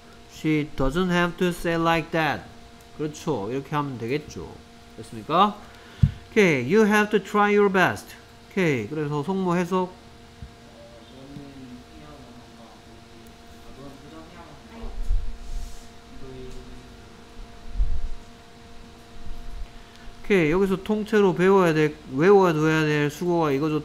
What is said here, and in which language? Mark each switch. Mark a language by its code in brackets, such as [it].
[en] 'She doesn't have to say like that.' [ko] 그렇죠, 이렇게 하면 되겠죠. 됐습니까? 오케이, [en] 'You have to try your best.' [ko] 오케이, 그래서 속모 해석. 오케이, 여기서 통째로 배워야 될, 외워둬야 될 수고가 이거죠.